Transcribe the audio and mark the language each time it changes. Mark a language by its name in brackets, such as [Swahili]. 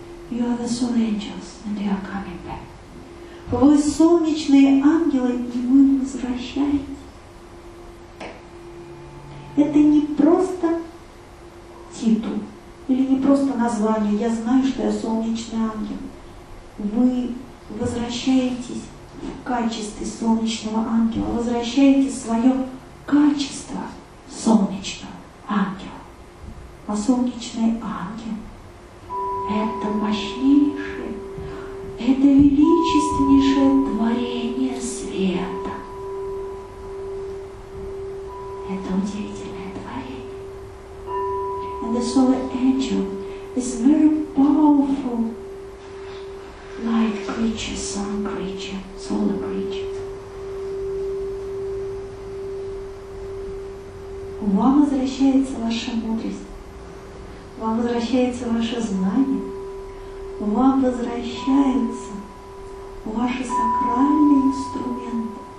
[English] You are the sun angels and you are coming back. [Russian] Вы солнечные ангелы, и вы возвращаетесь. Это не просто титул или не просто название. Я знаю, что я солнечный ангел. Вы возвращаетесь в качестве солнечного ангела. Возвращаете свое качество солнечного ангела. А солнечный ангел – это мощнейшее, это величественнейшее творение света. Это удивительное творение. [English] And the solar angel is very powerful light creature, sun creature, solar creature. [Russian] Вам возвращается ваша мудрость. Вам возвращается ваше знание, вам возвращаются ваши сакральные инструменты.